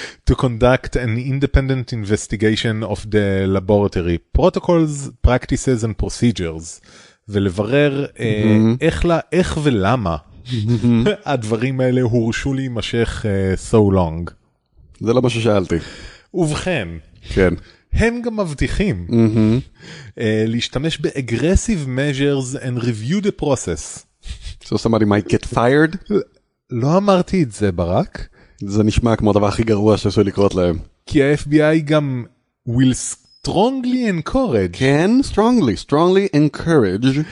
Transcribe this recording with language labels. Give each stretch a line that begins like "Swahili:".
English: To conduct an independent investigation of the laboratory protocols, practices and procedures, ולברר איך ולמה הדברים האלה הורשו להימשך so long.
Hebrew: זה לא מה ששאלתי. ובכן, כן.
English: הם גם מבטיחים להשתמש ב-aggressive measures and review the process. So somebody might get fired?
Hebrew: לא אמרתי את זה, ברק. זה נשמע כמו הדבר הכי גרוע שעשו לקרות להם.
English: כי ה-FBI גם will strongly encourage. כן, strongly encourage.